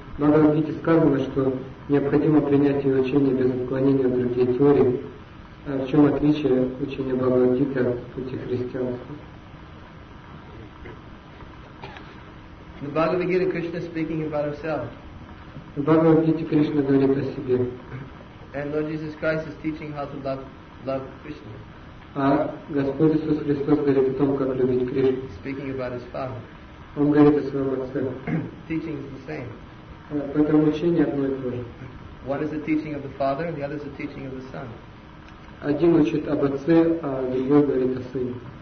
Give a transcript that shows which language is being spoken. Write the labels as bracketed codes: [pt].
[ru] Бхагавад Гите сказано, что необходимо принять ее учение без отклонения от других теорий. А в чем отличие учения Бхагавад Гиты от пути христианства? [en] The Bhagavad Gita, Krishna is speaking about himself. [ru] Бхагавад Гите Кришна говорит о себе. [en] And Lord Jesus Christ is teaching how to love Krishna. [ru] А Господь Иисус Христос говорит о том, как любить Кришну. [en] Speaking about his Father. [ru] Он говорит о своем отце. [en] Teaching is the same. [ru] Поэтому учение одно и то же. [en] One is the teaching of the Father, and the other is the teaching of the Son. [ru] Один учит об отце, а другой говорит о сыне.